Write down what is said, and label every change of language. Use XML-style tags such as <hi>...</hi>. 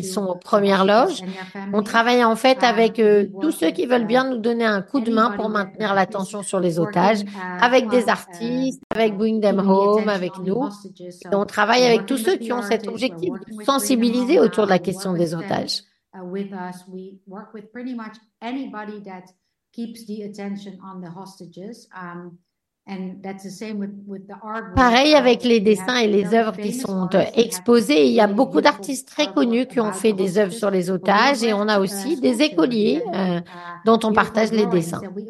<fr>Ils sont aux premières loges. On travaille en fait avec tous ceux qui veulent bien nous donner un coup de main pour maintenir l'attention sur les otages, avec des artistes, avec Bring Them Home, avec nous. Et on travaille avec tous ceux qui ont cet objectif de sensibiliser autour de la question des otages.</fr> <en>With us, we work with pretty much anybody that keeps the attention on the hostages. And that's the same with the artwork.</en> <fr>Pareil avec les dessins et les œuvres qui sont exposées. Il y a beaucoup d'artistes très connus qui ont fait des œuvres sur les otages et on a aussi des écoliers dont on partage les dessins.</fr>